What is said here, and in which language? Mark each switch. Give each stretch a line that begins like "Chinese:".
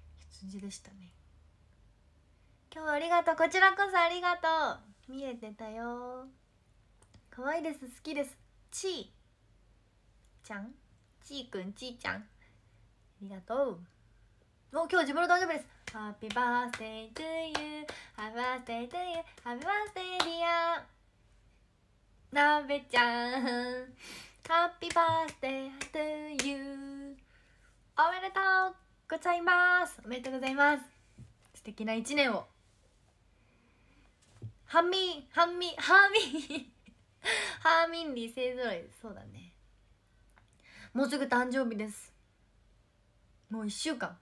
Japanese: 羊でしたね。今日はありがとう、こちらこそありがとう、見えてたよ、可愛いです、好きです、ちーちゃん、ちーくん、ちーちゃん、ありがとう。お、今日自分の誕生日です。
English: Happy birthday to you, Happy birthday to you, Happy birthday dear 鍋ちゃんHappy birthday to you.
Japanese: おめでとうございます。おめでとうございます。素敵な一年を。ハミン、ハミン、ハミン。ハミンに勢ぞろい。そうだね。もうすぐ誕生日です。もう一週間。